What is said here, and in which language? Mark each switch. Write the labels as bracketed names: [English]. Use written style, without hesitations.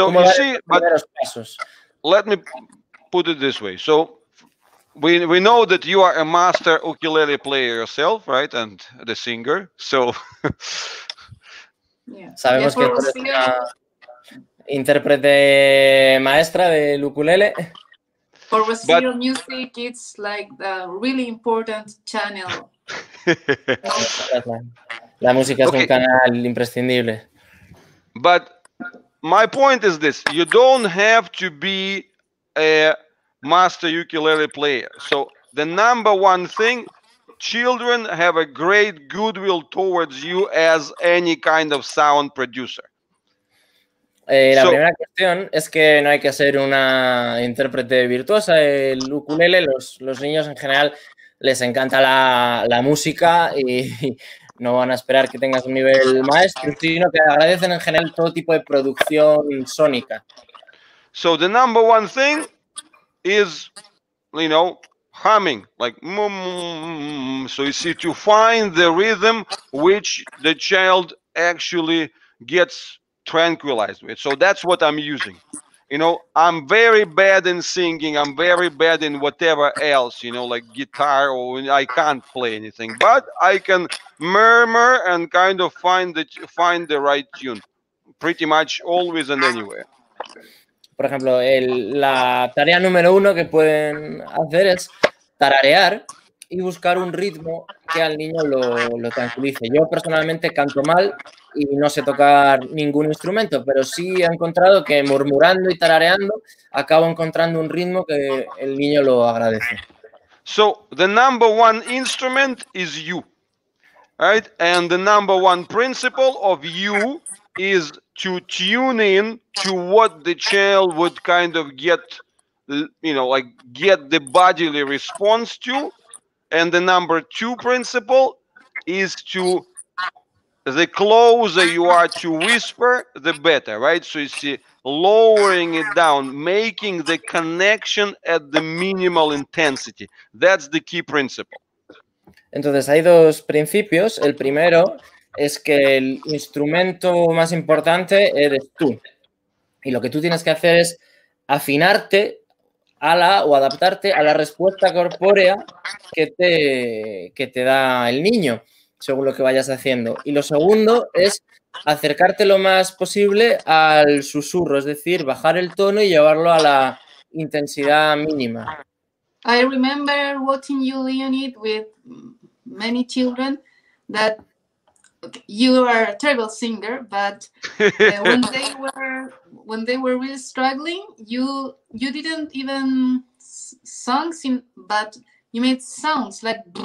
[English] Okay, good. So you see, but let me put it this way. So we know that you are a master ukulele player yourself, right? And the singer. So yeah. [Spanish] Sabemos que eres una intérprete maestra del ukulele. [English] For Brazilian music, it's like a really important channel. [Spanish] La música es okay. Un canal imprescindible. [English] But my point is this. You don't have to be a master ukulele player. So the number one thing, children have a great goodwill towards you as any kind of sound producer. [Spanish] La primera cuestión es que no hay que ser una intérprete virtuosa. El ukulele, los niños en general les encanta la música y no van a esperar que tengas un nivel maestro, sino que agradecen en general todo tipo de producción sónica. [English] So the number one thing is, you know, humming, like so you see, to find the rhythm which the child actually gets tranquilized with. So that's what I'm using. You know, I'm very bad in singing, I'm very bad in whatever else, you know, like guitar, or I can't play anything, but I can murmur and kind of find the right tune, pretty much always and anywhere. [Spanish] Por ejemplo, la tarea número uno que pueden hacer es tararear y buscar un ritmo que al niño lo tranquilice. Yo personalmente canto mal y no sé tocar ningún instrumento, pero sí he encontrado que murmurando y tarareando acabo encontrando un ritmo que el niño lo agradece. [English] So the number one instrument is you, right? And the number one principle of you is to tune in to what the child would kind of get, you know, like get the bodily response to. And the number two principle is to, the closer you are to whisper, the better, right? So you see, lowering it down, making the connection at the minimal intensity. That's the key principle. [Spanish] Entonces, hay dos principios. El primero es que el instrumento más importante eres tú. Y lo que tú tienes que hacer es afinarte o adaptarte a la respuesta corpórea que te da el niño. según lo que vayas haciendo. Y lo segundo es acercarte lo más posible al susurro, es decir, bajar el tono y llevarlo a la intensidad mínima. [English] I remember watching you, Leonid, with many children, that you are a terrible singer, but when they were really struggling, you didn't even songs in, but you made sounds like.